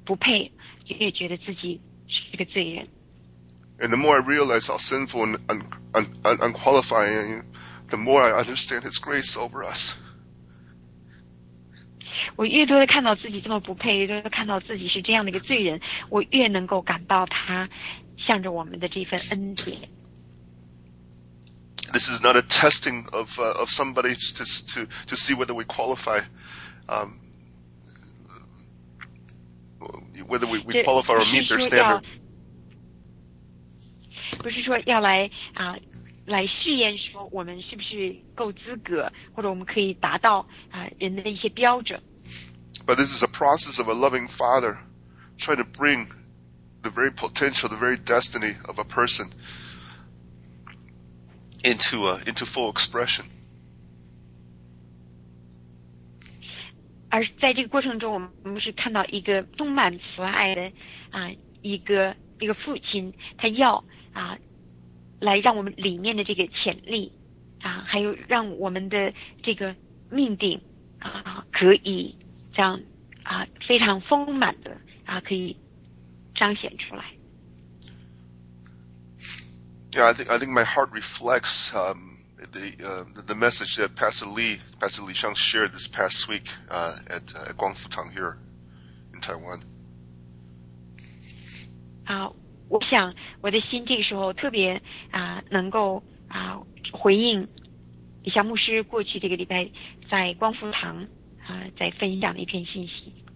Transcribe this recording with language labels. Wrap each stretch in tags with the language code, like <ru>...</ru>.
<zh>我越看到神借着我来做他这么大能的彰显他的大能，做他这样伟大的工作，我越觉得自己不配，越觉得自己是个罪人。</zh> <en>And the more I realize how sinful and unqualified I am, the more I understand His grace over us.</en> <zh>我越多的看到自己这么不配，越多的看到自己是这样的一个罪人，我越能够感到他向着我们的这份恩典。</zh> <en>This is not a testing of somebody to see whether we qualify, whether we qualify or meet their standard.</en> <zh>不是说要来啊，来试验说我们是不是够资格，或者我们可以达到啊人的一些标准。</zh> <en>But this is a process of a loving father trying to bring the very potential, the very destiny of a person into full expression.</en> <zh>而在这个过程中，我们是看到一个充满慈爱的啊一个父亲，他要啊来让我们里面的这个潜力啊，还有让我们的这个命定啊可以这样啊非常丰满的啊可以彰显出来。</zh> <en>Yeah, I think my heart reflects the message that Pastor Li Sheng shared this past week at Guangfutang here in Taiwan.</en> <zh>我想我的心这个时候特别能够回应一下牧师过去这个礼拜在光复堂在分享的一篇信息。</zh>